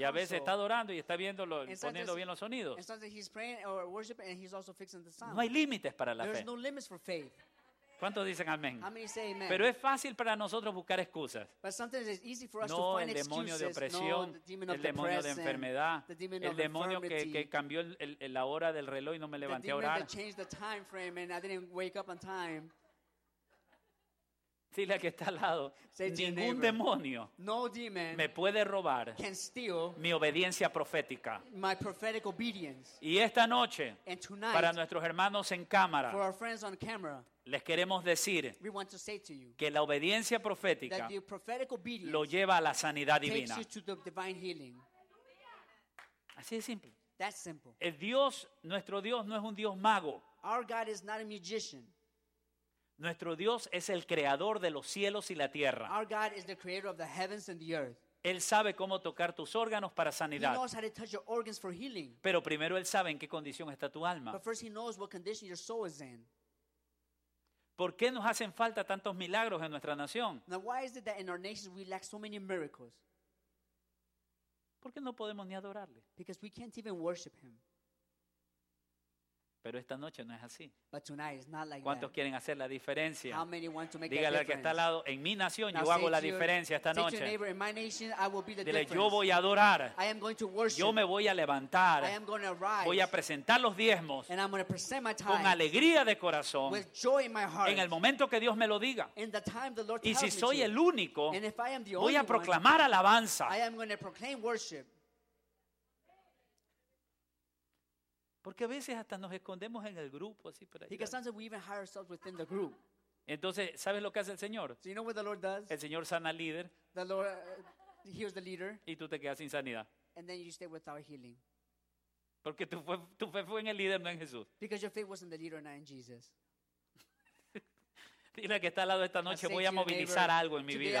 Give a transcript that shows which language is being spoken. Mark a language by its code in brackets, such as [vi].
[es] Y a veces está adorando y está viéndolo, poniendo bien los sonidos. [en] And sometimes he's praying or worshiping and he's also fixing the sound. [es] No hay límites para la fe. [en] There's no limits for faith. [es] ¿Cuántos dicen amén? [en] How many say amen? [es] Pero es fácil para nosotros buscar excusas. [en] But sometimes it's easy for us [es] no, [en] to find excuses. [es] El demonio de opresión, [en] no, the demon of [es] el demonio de enfermedad, el demonio que cambió la hora del reloj y no me levanté a orar. [en] The demon that changed the time frame and I didn't wake up on time. [es] Dile que está al lado. Ningún demonio [en] no demon [es] me puede robar [en] can steal [es] mi obediencia profética. [en] My prophetic obedience. [es] Y esta noche [en] and tonight, [es] para nuestros hermanos en cámara [en] for our friends on camera, [es] les queremos decir [en] we want to say to you [es] que la obediencia profética [en] that the prophetic obedience [es] lo lleva a la sanidad divina. [en] Takes you to the divine healing. [es] Así de simple. [en] That's simple. [es] El Dios, nuestro Dios no es un Dios mago. [en] Our God is not a magician. [es] Nuestro Dios es el creador de los cielos y la tierra. [en] Our God is the creator of the heavens and the earth. [es] Él sabe cómo tocar tus órganos para sanidad. [en] He knows how to touch your organs for healing. [es] Pero primero Él sabe en qué condición está tu alma. [en] But first he knows what condition your soul is in. [es] ¿Por qué nos hacen falta tantos milagros en nuestra nación? [en] Now why is it that in our nations we lack so many miracles? [es] ¿Por qué no podemos ni adorarle? [en] Because we can't even worship him. [es] Pero esta noche no es así. [en] But tonight it's not like [es] ¿cuántos [en] that? [es] Quieren hacer la diferencia? [en] How many want to make [es] dígale [en] difference? [es] Al que está al lado, en mi nación yo hago la diferencia esta noche. [en] Neighbor, in my nation, I will be the [es] dile, [en] difference. [es] Yo voy a adorar. [en] I am going to worship. [es] Yo me voy a levantar. [en] I am going to rise. [es] Voy a presentar los diezmos. [en] And I'm going to present my tithe [es] con alegría de corazón. [en] With joy in my heart. [es] En el momento que Dios me lo diga. [en] In the time the Lord [es] y si [en] tells [es] soy [en] me [es] el único, [en] and if I am the [es] voy a proclamar [en] one, [es] alabanza. [en] I am going to proclaim worship. [es] Porque a veces hasta nos escondemos en el grupo así para [en] because sometimes we even hide ourselves within the group. [es] Entonces, ¿sabes lo que hace el Señor? [en] So you know what the Lord does? [es] El Señor sana al líder. [en] The Lord heals the leader. [es] Y tú te quedas sin sanidad. [en] And then you stay without healing. [es] Porque tu fe fue en el líder, no en Jesús. [en] Because your faith was in the leader, not in Jesus. [es] Dile que está al lado esta noche, voy a movilizar algo en mi vida.